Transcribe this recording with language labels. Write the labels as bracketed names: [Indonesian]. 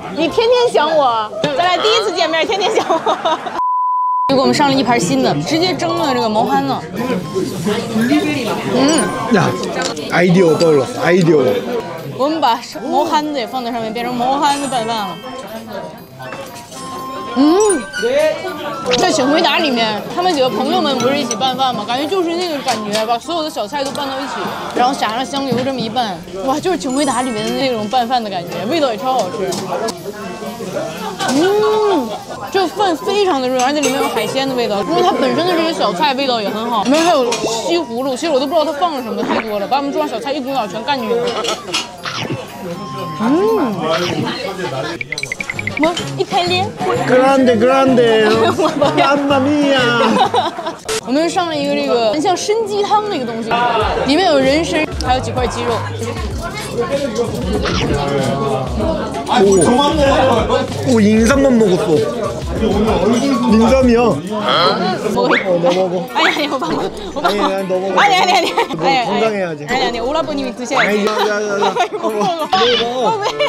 [Chinese] 你天天想我咱俩第一次见面天天想我又给我们上了一盘新的直接蒸了这个毛蚶呢嗯 [Korean] 呀아이디어떠올랐어아이디어 [Chinese] 我们把毛蚶子也放在上面变成毛蚶子拌饭了嗯在请回答里面他们几个朋友们不是一起拌饭吗感觉就是那个感觉把所有的小菜都拌到一起然后撒上香油这么一拌哇就是请回答里面的那种拌饭的感觉味道也超好吃嗯这饭非常的润而且里面有海鲜的味道因为它本身的这些小菜味道也很好里面还有西葫芦其实我都不知道它放了什么太多了把我们桌上小菜一股脑全干进去了嗯我一开脸 grande grande 妈妈咪呀我们上了一个这个很像参鸡汤的一个东西里面有人参还有几块鸡肉 [Korean] 오인삼만먹었어인삼이야너먹어 아니아니 [Chinese] 我帮我帮我 [Korean] 너먹어 아니아니아니 건강해야지 아니아니오라버님이드셔야지 아니아니아니먹어먹어